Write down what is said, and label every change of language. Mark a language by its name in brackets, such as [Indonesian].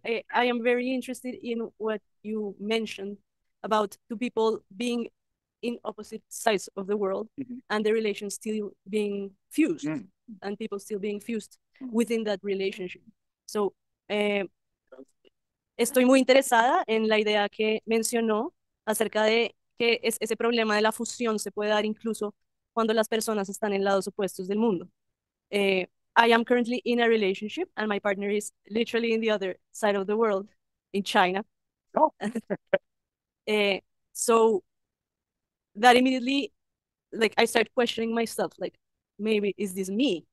[English] I am very interested in what you mentioned about two people being in opposite sides of the world and the relation still being fused and people still being fused within that relationship. [Spanish] So, estoy muy interesada en la idea que mencionó acerca de que ese problema de la fusión se puede dar incluso cuando las personas están en lados opuestos del mundo. [English] I am currently in a relationship and my partner is literally in the other side of the world, in China. Oh. So that immediately, like, I start questioning myself, like, maybe is this me?